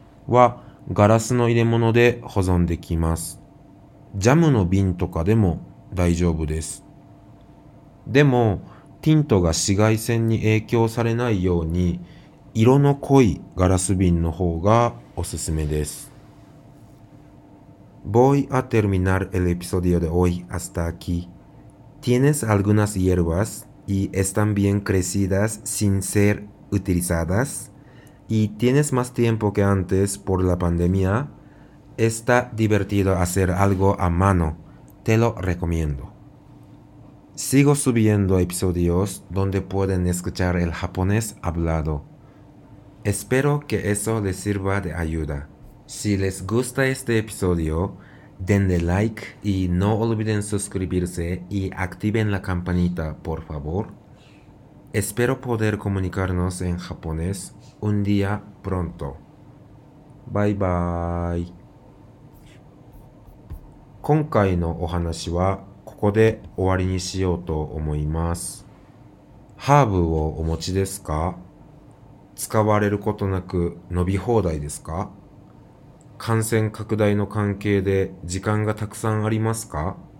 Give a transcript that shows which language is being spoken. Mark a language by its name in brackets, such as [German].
[Japanese] はガラスの入れ物で保存できます。ジャムの瓶とかでも大丈夫です。でもティントが紫外線に影響されないように色の濃いガラス瓶の方がおすすめです。 [Spanish] Voy a terminar el episodio de hoy hasta aquí. ¿Tienes algunas hierbas y están bien crecidas sin ser utilizadas? ¿Y tienes más tiempo que antes por la pandemia? Está divertido hacer algo a mano. Te lo recomiendo. Sigo subiendo episodios donde pueden escuchar el japonés hablado. Espero que eso les sirva de ayuda. Si les gusta este episodio, denle like y no olviden suscribirse y activen la campanita, por favor. Espero poder comunicarnos en japonés un día pronto. [English] Bye bye. [Japanese] 今回のお話はここで終わりにしようと思います。ハーブをお持ちですか?使われることなく伸び放題ですか? 感染拡大の関係で時間がたくさんありますか?